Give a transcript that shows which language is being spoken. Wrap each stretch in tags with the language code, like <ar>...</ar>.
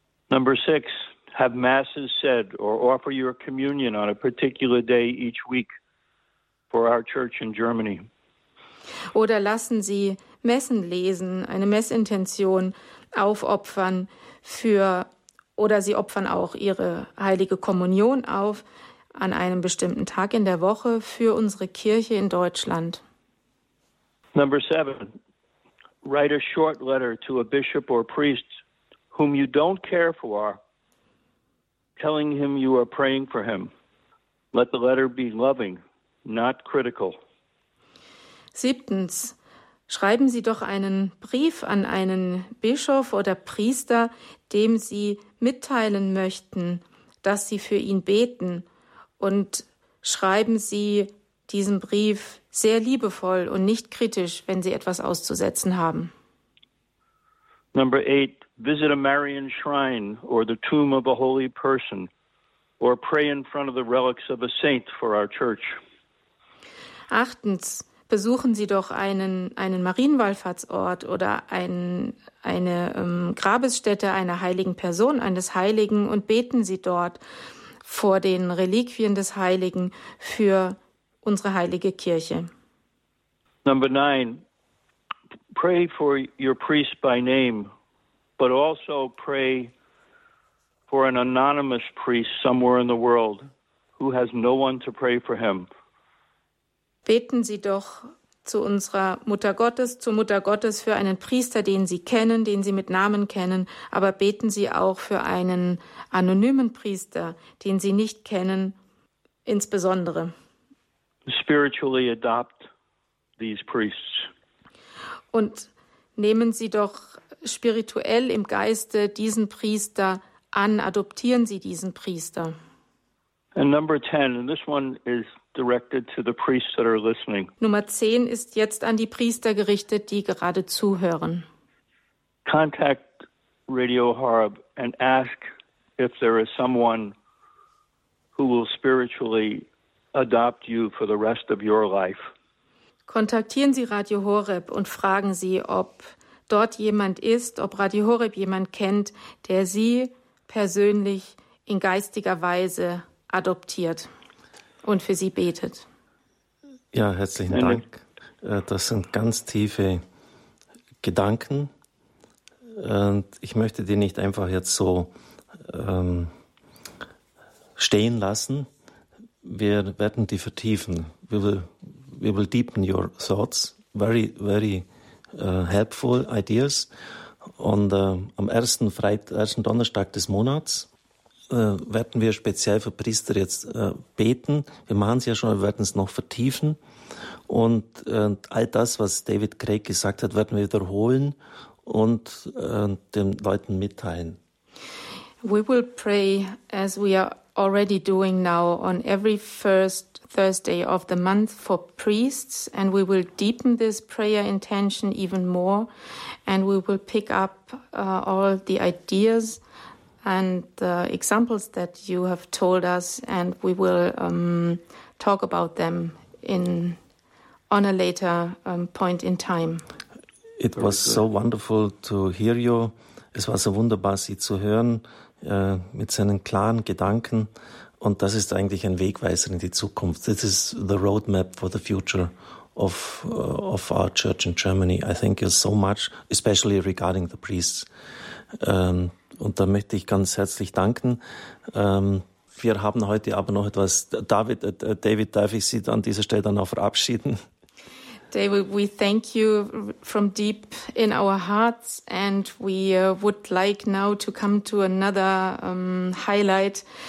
<en>Number six, have masses said or offer your communion on a particular day each week for our church in Germany.</en> <de>Oder lassen Sie Messen lesen, eine Messintention aufopfern oder Sie opfern auch Ihre heilige Kommunion auf an einem bestimmten Tag in der Woche für unsere Kirche in Deutschland.</de> <en>Number seven, write a short letter to a bishop or priest whom you don't care for, telling him you are praying for him. Let the letter be loving, not critical.</en> <de>Siebtens, Schreiben Sie doch einen Brief an einen Bischof oder Priester, dem Sie mitteilen möchten, dass Sie für ihn beten. Und schreiben Sie diesen Brief sehr liebevoll und nicht kritisch, wenn Sie etwas auszusetzen haben.</de> <en>Number 8, visit a Marian shrine or the tomb of a holy person or pray in front of the relics of a saint for our church.</en> <de>Achtens, besuchen Sie doch einen Marienwallfahrtsort oder eine Grabesstätte einer heiligen Person, eines Heiligen, und beten Sie dort vor den Reliquien des Heiligen für unsere heilige Kirche.</de> <en>Number 9, pray for your priest by name, but also pray for an anonymous priest somewhere in the world who has no one to pray for him.</en> <de>Beten Sie doch zu unserer Mutter Gottes, zur Mutter Gottes, für einen Priester, den Sie kennen, den Sie mit Namen kennen, aber beten Sie auch für einen anonymen Priester, den Sie nicht kennen, insbesondere.</de> <en>Spiritually adopt these priests.</en> <de>Und nehmen Sie doch spirituell im Geiste diesen Priester an, adoptieren Sie diesen Priester.</de> <en>And number 10, and this one is directed to the priests that are listening.</en> <de>Nummer 10 ist jetzt an die Priester gerichtet, die gerade zuhören.</de> <en>Contact Radio Horeb and ask if there is someone who will spiritually adopt you for the rest of your life.</en> <de>Kontaktieren Sie Radio Horeb und fragen Sie, ob dort jemand ist, ob Radio Horeb jemand kennt, der Sie persönlich in geistiger Weise adoptiert und für Sie betet. Ja, herzlichen Dank. Das sind ganz tiefe Gedanken. Und ich möchte die nicht einfach jetzt so stehen lassen. Wir werden die vertiefen.</de> <en>We will deepen your thoughts. Very, very helpful ideas.</en> <de>Und am ersten Donnerstag des Monats werden wir speziell für Priester jetzt beten. Wir machen es ja schon, wir werden es noch vertiefen. Und all das, was David Craig gesagt hat, werden wir wiederholen und den Leuten mitteilen.</de> <en>We will pray, as we are already doing now, on every first Thursday of the month for priests, and we will deepen this prayer intention even more, and we will pick up all the ideas and the examples that you have told us, and we will talk about them on a later point in time. It was so wonderful to hear you.</en> <de>Es war so wunderbar, Sie zu hören, mit seinen klaren Gedanken. Und das ist eigentlich ein Wegweiser in die Zukunft.</de> <en>This is the roadmap for the future of our church in Germany. I thank you so much, especially regarding the priests.</en> <de>Und da möchte ich ganz herzlich danken. Wir haben heute aber noch etwas. David, darf ich Sie an dieser Stelle dann auch verabschieden?</de> <en>David, we thank you from deep in our hearts, and we would like now to come to another highlight.</en>